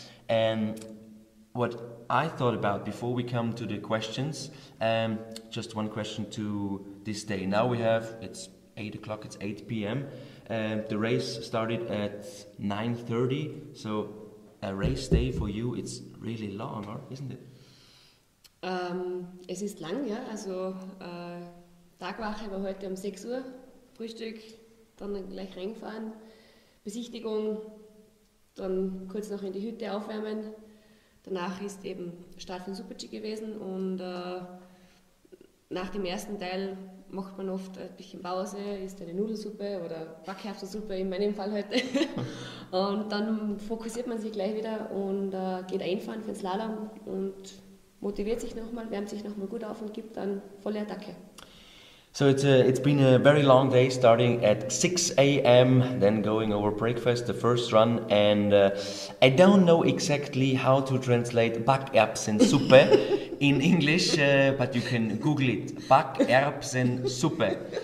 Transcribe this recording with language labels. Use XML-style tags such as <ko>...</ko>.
<en>And what I thought about before we come to the questions, just one question to this day. Now we have, it's 8 o'clock, it's 8 p.m. The race started at 9:30, so a race day for you, it's really long, isn't it?</en> <de>Es ist lang, ja. Also Tagwache war heute um 6 Uhr, Frühstück, dann gleich reinfahren, Besichtigung, dann kurz noch in die Hütte aufwärmen. Danach ist eben Start von Super-G gewesen und nach dem ersten Teil macht man oft ein bisschen Pause, isst eine Nudelsuppe oder Backhafersuppe in meinem Fall heute. Und dann fokussiert man sich gleich wieder und geht einfahren für den Slalom und motiviert sich nochmal, wärmt sich nochmal gut auf und gibt dann volle Attacke.</de> <en>So it's been a very long day, starting at 6 a.m., then going over breakfast, the first run, and I don't know exactly how to translate Backerbsensuppe in English, but you can Google it, Backerbsensuppe.</en>